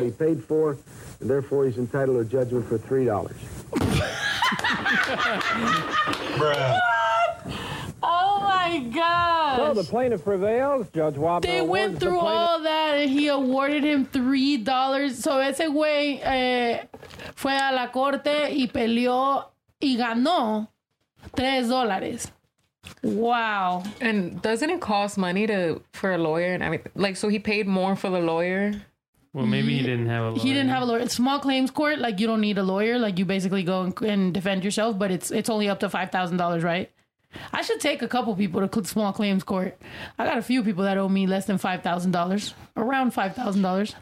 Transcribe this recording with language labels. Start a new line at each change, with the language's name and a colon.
English: That he paid for, and therefore he's entitled to judgment for $3. Bruh. Gosh. Well, the plaintiff prevails. Judge Wapner. They went through all that and he awarded him $3.
Spanish: So ese güey fue a la corte y peleó y ganó $3.
English: Wow. And doesn't it cost money for a lawyer? And I mean, like, so he paid more for the lawyer? Well, maybe he didn't have a lawyer. He didn't have a lawyer. Small claims court, like, you don't need a lawyer. Like, you basically go and defend yourself, but it's only up to $5,000, right? I should take a couple people to small claims court. I got a few people that owe me less than $5,000, around $5,000.